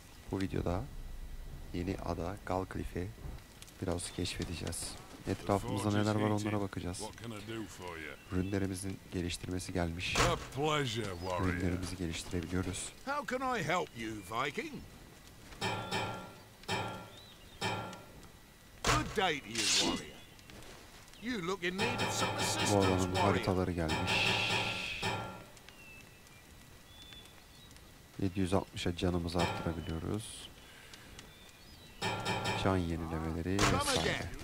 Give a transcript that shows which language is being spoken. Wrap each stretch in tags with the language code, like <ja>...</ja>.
<tr>Bu videoda yeni ada Galcliffe'i biraz keşfedeceğiz. Etrafımızda neler var onlara bakacağız. Rünlerimizin geliştirmesi gelmiş. Rünlerimizi geliştirebiliyoruz.</tr> <en>How can I help you, Viking? Good day to you, warrior. You look in need of some assistance.</en> <tr>Bu adamın haritaları gelmiş. 760'a canımızı arttırabiliyoruz. Can yenilemeleri vesaire.</tr>